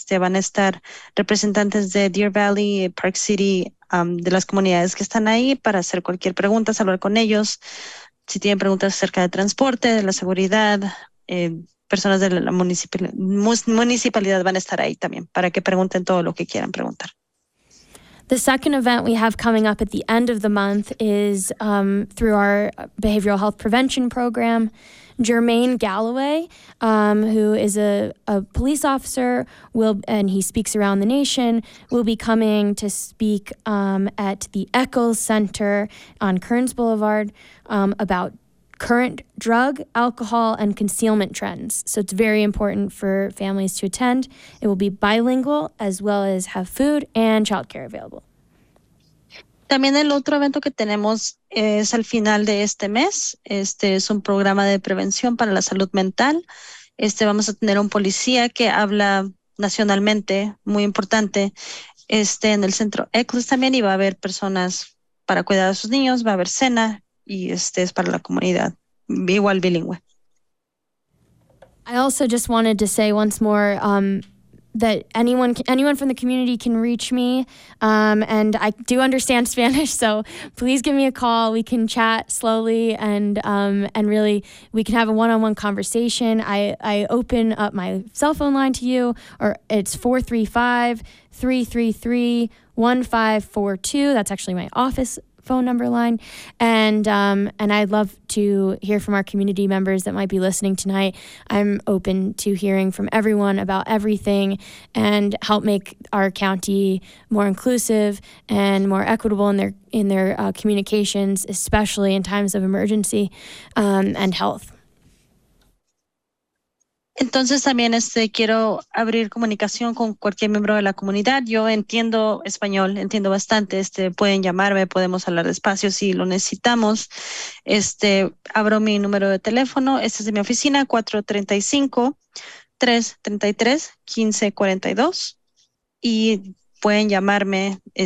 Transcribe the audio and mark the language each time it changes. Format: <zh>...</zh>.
<es>Van a estar representantes de Deer Valley, Park City, de las comunidades que están ahí para hacer cualquier pregunta, hablar con ellos. Si tienen preguntas acerca de transporte, de la seguridad, personas de la municipalidad van a estar ahí también para que pregunten todo lo que quieran preguntar.</es> <en>The second event we have coming up at the end of the month is through our behavioral health prevention program. Jermaine Galloway, who is a police officer, and he speaks around the nation, will be coming to speak at the Eccles Center on Kearns Boulevard about current drug, alcohol, and concealment trends. So it's very important for families to attend. It will be bilingual as well as have food and childcare available.</en> <es>También el otro evento que tenemos es al final de este mes. Es un programa de prevención para la salud mental. Vamos a tener un policía que habla nacionalmente, muy importante, en el centro Eccles también, y va a haber personas para cuidar a sus niños, va a haber cena, y es para la comunidad, igual bilingüe.</es> <en>I also just wanted to say once more, that anyone from the community can reach me, and I do understand Spanish, so please give me a call. We can chat slowly, and really we can have a one-on-one conversation. I open up my cell phone line to you, or it's 435-333-1542. That's actually my office phone number line, and I'd love to hear from our community members that might be listening tonight. I'm open to hearing from everyone about everything and help make our county more inclusive and more equitable in their communications, especially in times of emergency and health.</en> <es>Entonces también quiero abrir comunicación con cualquier miembro de la comunidad. Yo entiendo español, entiendo bastante. Pueden llamarme, podemos hablar despacio si lo necesitamos. Abro mi número de teléfono. Este es de mi oficina, 435-333-1542. Y pueden llamarme.</es>